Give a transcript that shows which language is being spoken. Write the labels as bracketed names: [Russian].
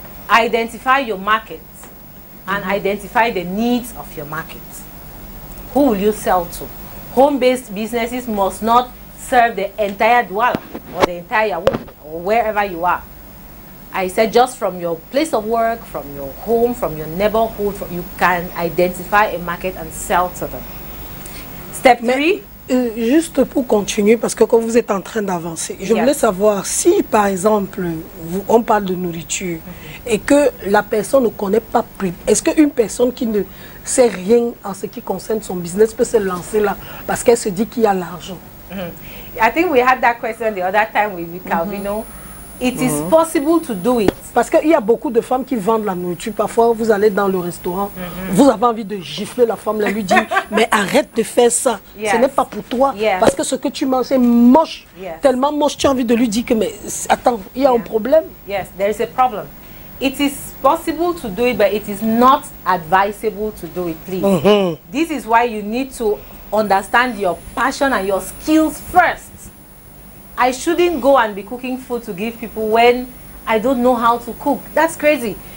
[English] Identify your market and identify the needs of your market. Who will you sell to? Home-based businesses must not serve the entire Douala or the entire world or wherever you are. I said just from your place of work, from your home, from your neighborhood, you can identify a market and sell to them. Step three. [French] Juste pour continuer, parce que quand vous êtes en train d'avancer, je voulais savoir si, par exemple, vous, on parle de nourriture et que la personne ne connaît pas plus. Est-ce qu'une personne qui ne sait rien en ce qui concerne son business peut se lancer là parce qu'elle se dit qu'il y a l'argent? [English] I think we had that question the other time with Calvino. It is possible to do it. [French] Parce qu'il y a beaucoup de femmes qui vendent la nourriture. Parfois, vous allez dans le restaurant, vous avez envie de gifler la femme, elle lui dit, mais arrête de faire ça. [English] Yes. [French] Ce n'est pas pour toi. [English] Yes. [French] Parce que ce que tu manges est moche. [English] Yes. [French] Tellement moche, tu as envie de lui dire que, mais attends, il y a un problème. [English] Yes, there is a problem. It is possible to do it, but it is not advisable to do it, please. This is why you need to understand your passion and your skills first. I shouldn't go and be cooking food to give people when I don't know how to cook. That's crazy.